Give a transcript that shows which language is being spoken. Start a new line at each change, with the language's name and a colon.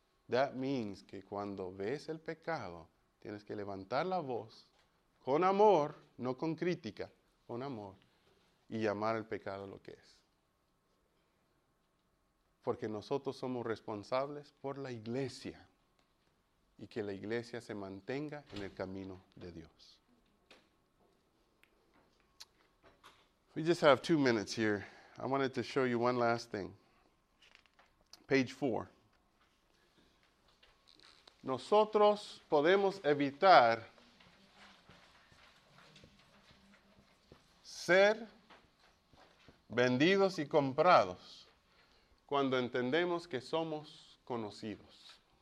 English: That means
Spanish: que cuando ves el pecado, tienes que levantar la voz con amor, no con crítica, con amor, y llamar al pecado lo que es. Porque nosotros somos responsables por la iglesia y que la iglesia se mantenga en el camino de Dios.
English: We just have 2 minutes here. I wanted to show you one last thing. Page 4.
Spanish: Nosotros podemos evitar ser vendidos y comprados cuando entendemos que somos conocidos.